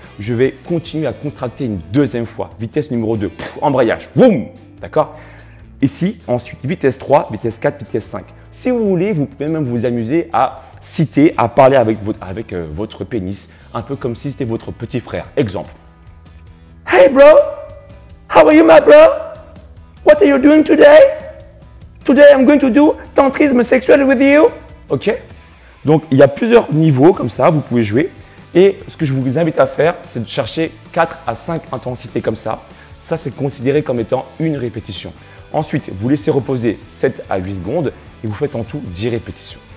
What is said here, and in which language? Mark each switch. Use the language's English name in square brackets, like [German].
[French] Je vais continuer à contracter une deuxième fois. Vitesse numéro 2, pff, embrayage, boum, d'accord? Ici, ensuite, vitesse 3, vitesse 4, vitesse 5. Si vous voulez, vous pouvez même vous amuser à citer, à parler avec votre pénis, un peu comme si c'était votre petit frère. Exemple. [English] Hey bro, how are you my bro? What are you doing today? Today I'm going to do [French] tantrisme sexuel [English] with you. [French] Ok, donc il y a plusieurs niveaux comme ça, vous pouvez jouer. Et ce que je vous invite à faire, c'est de chercher 4 à 5 intensités comme ça. Ça, c'est considéré comme étant une répétition. Ensuite, vous laissez reposer 7 à 8 secondes et vous faites en tout 10 répétitions.